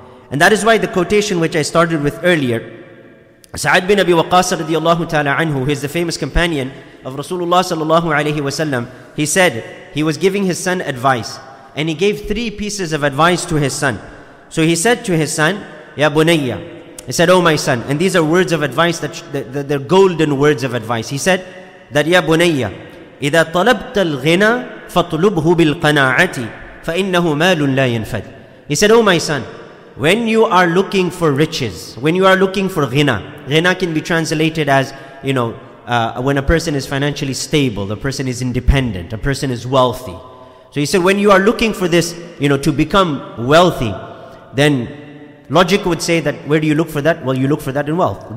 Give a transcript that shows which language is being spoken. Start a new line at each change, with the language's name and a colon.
English: And that is why the quotation which I started with earlier, Sa'ad bin Abi Waqqas radiallahu ta'ala anhu, who is the famous companion of Rasulullah sallallahu alayhi wa sallam, he said he was giving his son advice, and he gave three pieces of advice to his son. So he said to his son, Ya Bunayya, he said, oh my son, and these are words of advice, they're golden words of advice. He said that,
Arabic: Ya Bunayya, إِذَا طَلَبْتَ الْغِنَى فَطْلُبْهُ بِالْقَنَاعَةِ فَإِنَّهُ مَالٌ لَا يَنْفَدْ.
English: He said, oh my son, when you are looking for riches, when you are looking for ghina, ghina can be translated as, you know, when a person is financially stable, a person is independent, a person is wealthy. So he said, when you are looking for this, you know, to become wealthy, then logic would say that where do you look for that? Well, you look for that in wealth.